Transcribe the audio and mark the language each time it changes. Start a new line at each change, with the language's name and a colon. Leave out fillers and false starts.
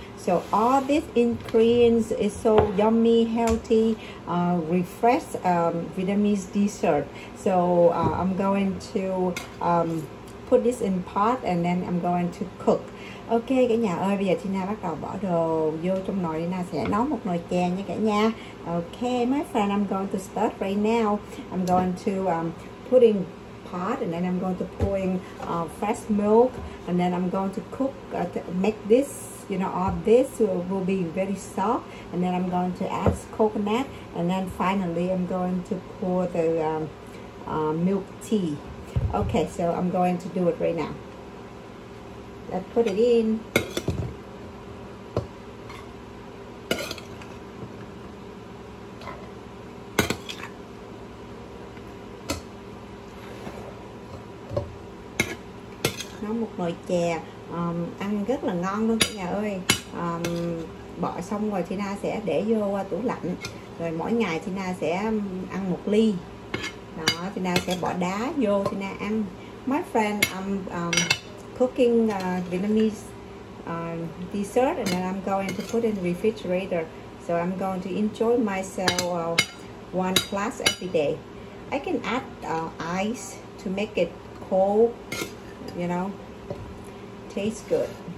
English: So all these ingredients is so yummy, healthy, refreshed Vietnamese dessert. So I'm going to put this in pot and then I'm going to cook.
Vietnamese: Ok cả nhà ơi, bây giờ Tina bắt đầu bỏ đồ vô trong nồi, Tina sẽ nấu một nồi chè nha cả nhà.
English: Ok my friend, I'm going to start right now. I'm going to put in pot and then I'm going to pour in fresh milk, and then I'm going to cook to make this, you know, all this will be very soft, and then I'm going to add coconut, and then finally I'm going to pour the milk tea. Okay, so I'm going to do it right now. I put it in.
Vietnamese: Nó một nồi chè ăn rất là ngon luôn cả nhà ơi. Bỏ xong rồi Tina sẽ để vô tủ lạnh, rồi mỗi ngày Tina sẽ ăn một ly. Đó, Tina sẽ bỏ đá vô Tina ăn.
English: My friend, I'm cooking Vietnamese dessert, and then I'm going to put in the refrigerator. So I'm going to enjoy myself one glass every day. I can add ice to make it cold, you know, taste good.